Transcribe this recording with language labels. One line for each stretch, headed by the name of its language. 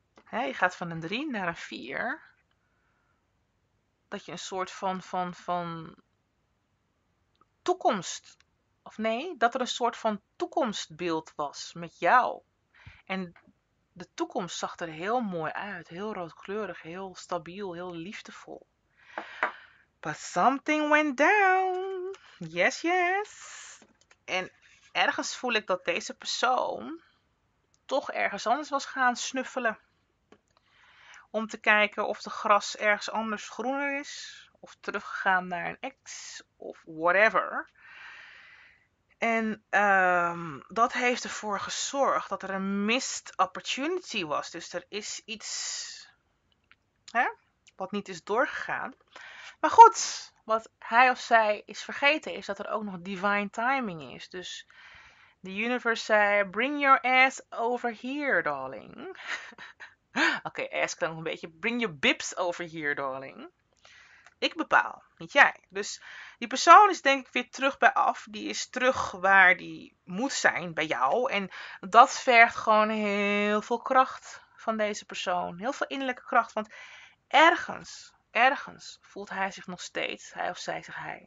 Dutch: Je gaat van een 3 naar een 4. Dat je een soort van toekomst. Of nee, dat er een soort van toekomstbeeld was met jou. En de toekomst zag er heel mooi uit. Heel roodkleurig, heel stabiel, heel liefdevol.
English: But something went down. Yes, yes.
Dutch: En ergens voel ik dat deze persoon toch ergens anders was gaan snuffelen. Om te kijken of de gras ergens anders groener is. Of teruggegaan naar een ex. Of whatever. En dat heeft ervoor gezorgd dat er een missed opportunity was. Dus er is iets, hè, wat niet is doorgegaan. Maar goed, wat hij of zij is vergeten is dat er ook nog divine timing is. Dus
English: the universe
Dutch: zei,
English: bring your ass over here, darling.
Dutch: Oké, okay, ask dan nog een beetje.
English: Bring your bibs over here, darling.
Dutch: Ik bepaal, niet jij. Dus die persoon is denk ik weer terug bij af. Die is terug waar die moet zijn, bij jou. En dat vergt gewoon heel veel kracht van deze persoon. Heel veel innerlijke kracht. Want ergens, ergens voelt hij zich nog steeds, hij of zij, zegt hij.